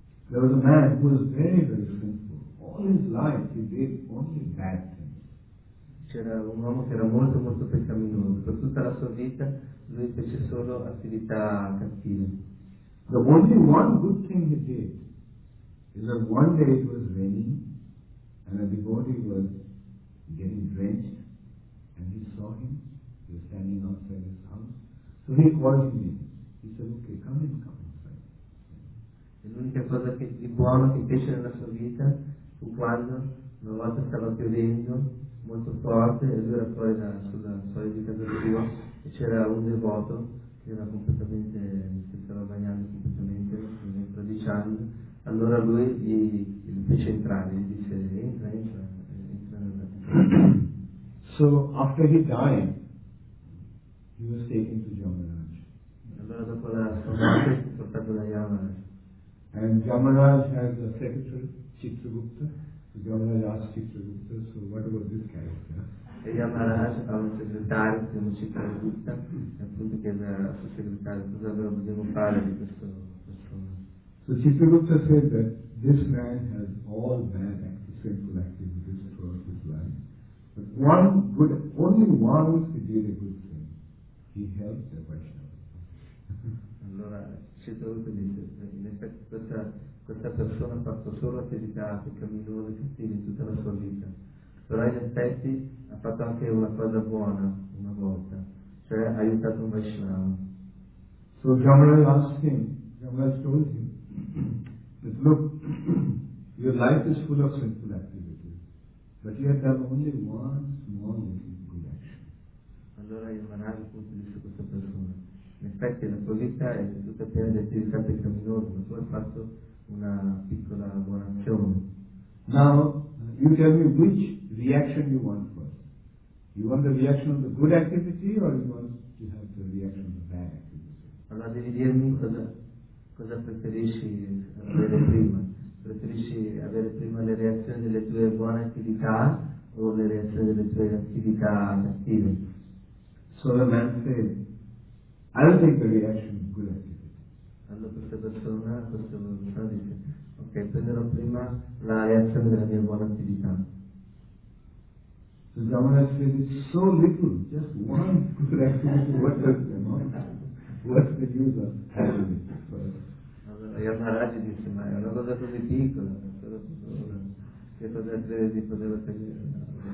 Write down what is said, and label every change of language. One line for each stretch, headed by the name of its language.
English: There was a man who was very, very sinful. All his life he did only bad things.
Italian: C'era un uomo che era molto, molto peccaminoso. Per tutta la sua vita lui fece solo attività cattive.
English: The only one good thing he did is that one day it was raining and a devotee was getting drenched and he saw him. He was standing outside his house. So he called him in. He said, okay, come in, come inside.
Italian: E l'unica cosa che di buono che fece nella sua vita fu quando una volta stava piovendo molto forte e lui era poi sulla solita di Dio e c'era un devoto che era completamente, che stava bagnando completamente, quindi 13 anni, allora lui gli fece entrare, gli disse entra nella vita.
English: So after he died, he was taken to Yamaraj.
Italian: Allora dopo la sua morte fu portato da Yamaraj.
English: And Yamaraj has a secretary, Chitragupta. So Yamaraj asked Chitragupta, so what about this character?
Italian: E Yamaraj ha un segretario, che è un Chitragupta, e appunto chiede al suo segretario cosa dobbiamo fare di questo persona.
English: So Chitragupta said that this man has all bad acts, sinful activities throughout his life. But one good, only one who did a good thing, he helped the Vaishnava.
Italian: Allora, Chitragupta dice, in effetti questa persona ha fatto solo attività peccaminose cattive in tutta la sua vita. Però in effetti ha fatto anche una cosa buona una volta, cioè ha aiutato un Vaishnava.
English: So Yamaraj asked him, Yamaraj told him, that look, your life is full of sinful activities, but you have done only one small little good action.
Italian: Allora Yamaraj appunto disse a questa persona, in effetti la tua vita è tutta piena di attività peccaminose, ma tu hai fatto una piccola buona azione.
English: Now, you tell me which reaction you want first. You want the reaction of the good activity or you want to have the reaction of the bad activity?
Italian: Allora devi dirmi cosa preferisci avere prima. Preferisci avere prima le reazioni delle tue buone attività o le reazioni delle tue attività cattive?
English: So the man said, I'll take the reaction of good activity.
Italian: Allora questa persona dice, ok, prenderò prima la reazione della mia buona attività.
English: So Yamaraj said, it's so little, just one good activity, what does the amount? What's the use of having it?
Italian: Allora Yamaraj dice, ma è una cosa così piccola, però che cosa deve di poter ottenere?